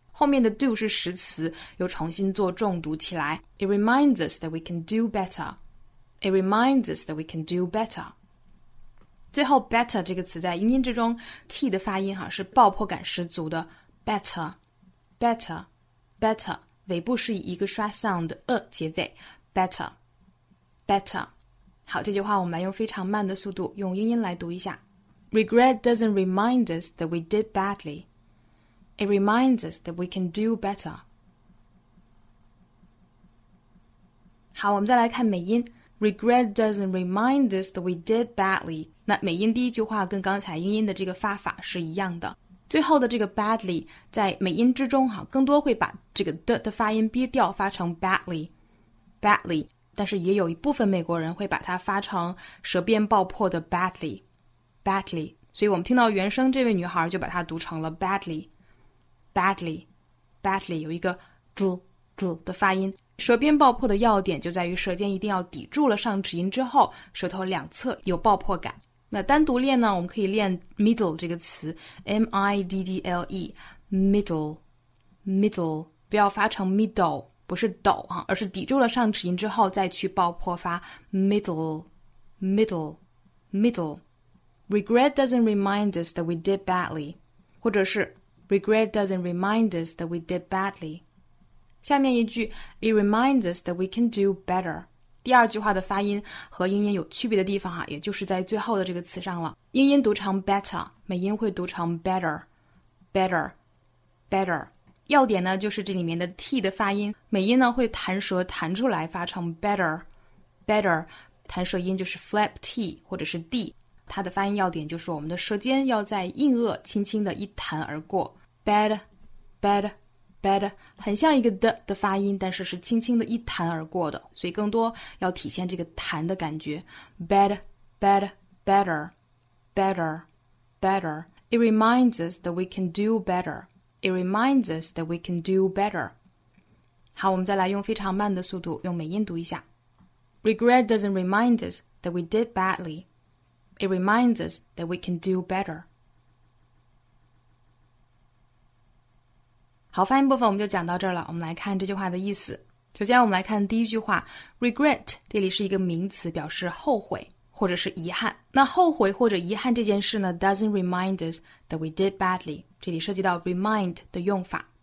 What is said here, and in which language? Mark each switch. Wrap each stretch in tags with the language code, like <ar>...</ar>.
<zh>后面的 do 是实词，又重新做重读起来。</zh> <en>It reminds us that we can do better.</en> <zh>最后 ，better 这个词在英音之中 ，t 的发音哈是爆破感十足的 ，better， 尾部是以一个刷 sound 结尾 ，better。Better. 好，这句话我们来用非常慢的速度用英音来读一下。</zh> <en>Regret doesn't remind us that we did badly. It reminds us that we can do better.</en> <zh>好，我们再来看美音。</zh> <en>Regret doesn't remind us that we did badly.</en> <zh>那美音第一句话跟刚才英音的这个发法是一样的。最后的这个 badly 在美音之中好，更多会把这个 的发音憋掉，发成 badly。但是也有一部分美国人会把它发成舌边爆破的 badly， 所以我们听到原声这位女孩就把它读成了 badly， 有一个 dl 的发音，舌边爆破的要点就在于舌尖一定要抵住了上齿龈之后，舌头两侧有爆破感。那单独练呢，我们可以练 middle 这个词 M-I-D-D-L-E middle middle， 不要发成 middle， 不是抖啊，而是抵住了上齿龈之后再去爆破发 middle middle middle。</zh> <en>Regret doesn't remind us that we did badly，</en> <zh>或者是</zh> <en>Regret doesn't remind us that we did badly。</en> <zh>下面一句</zh> <en>It reminds us that we can do better。</en> <zh>第二句话的发音和英音有区别的地方哈，也就是在最后的这个词上了。英音读成 better， 美音会读成 better， better， better。要点呢，就是这里面的 t 的发音，美音呢会弹舌弹出来，发成 better， better， 弹舌音就是 flap t 或者是 d。它的发音要点就是我们的舌尖要在硬腭轻轻的一弹而过 ，bad， bad。 Bad 很像一个 d 的发音，但是是轻轻的一弹而过的，所以更多要体现这个弹的感觉。</zh> <en>Bad, bad, better, better, better. It reminds us that we can do better. It reminds us that we can do better.</en> <zh>好，我们再来用非常慢的速度，用美音读一下。</zh> <en>Regret doesn't remind us that we did badly. It reminds us that we can do better.</en> <zh>好，发音部分我们就讲到这儿了。我们来看这句话的意思。首先我们来看第一句话， regret 这里是一个名词，表示后悔或者是遗憾。那后悔或者遗憾这件事呢，</zh> <en>doesn't remind us that we did badly，</en> <zh>这里涉及到 remind 的用法。</zh>